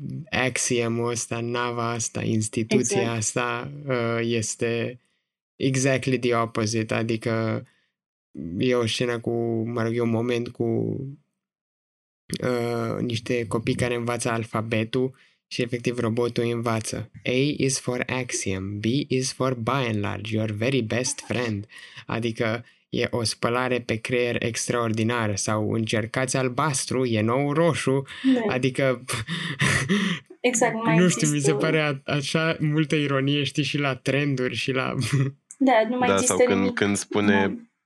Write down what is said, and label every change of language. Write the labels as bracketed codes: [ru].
[ro] axiomul ăsta, nava asta, instituția exact. Asta este [en] exactly the opposite, [ro] adică e o scenă cu, mă rog, e un moment cu niște copii care învață alfabetul și efectiv robotul învață. [en] A is for axiom, B is for by and large, your very best friend. [ro] Adică e o spălare pe creier extraordinară sau încercați albastru, e nou roșu, da. Adică exact, mai nu știu, mi se pare așa multă ironie, știi, și la trenduri și la... Da, nu mai da, există sau când spune da.